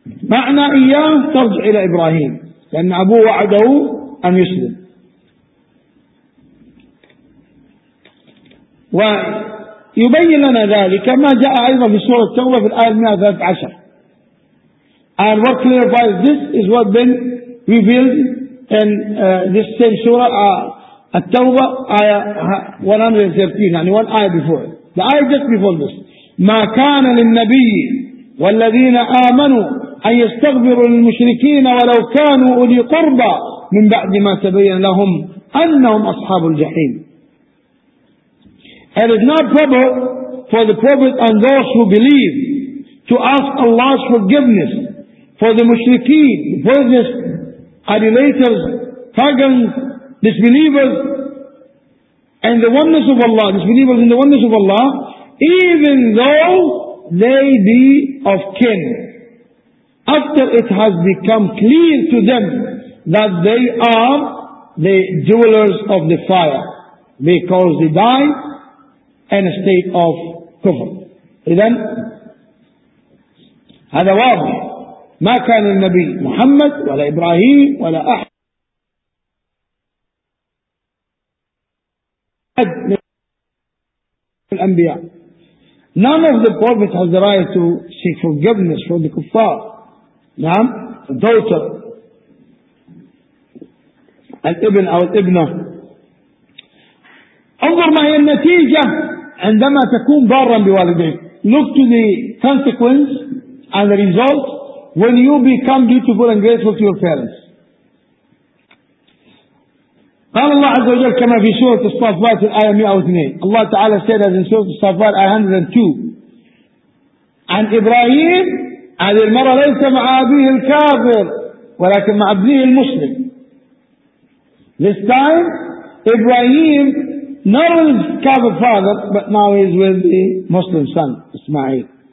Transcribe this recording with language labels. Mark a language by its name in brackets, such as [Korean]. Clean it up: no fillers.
[Arabic] فمعنى إياه ترجع إلى إبراهيم لأن أبوه وعده أن يسلم. ويبين لنا ذلك ما جاء أيضا في سورة التوبة في الآية 113. [English] And what clarifies this is what been revealed in this same [Arabic] سورة التوبة آية 113, [English] يعني one آية before. The آية just before this. [Arabic] ما كان للنبي والذين آمنوا أن يستغفروا للمشركين ولو كانوا أولي قربى من بعد ما تبين لهم أنهم أصحاب الجحيم. [English] It is not proper for the Prophet and those who believe to ask Allah's forgiveness for the mushrikeen, for the idolaters, pagans, disbelievers and the oneness of Allah, disbelievers in the oneness of Allah, even though they be of kin, after it has become clear to them that they are the jewelers of the fire, because they die in a state of kufr. [Arabic] إذن هذا واضح. ما كان النبي محمد ولا إبراهيم ولا أحد من الأنبياء. [English] None of the prophets has the right to seek forgiveness from the kuffar. [Arabic] نعم. Daughter, الابن أو الابنة. انظر ما هي النتيجة عندما تكون بارا بوالديك. [English] Look to the consequence and the result when you become dutiful and grateful to your parents. [Arabic] قال الله عز وجل كما في سورة الصافات الآية 102. الله تعالى [English] said as in [Arabic] سورة الصافات آية 102. عن إبراهيم عن المرأة ليس مع أبيه الكافر ولكن مع ابنه المسلم. [English] This time, Ibrahim not only is Kaaba's father, but now he is with the Muslim son, Ismail.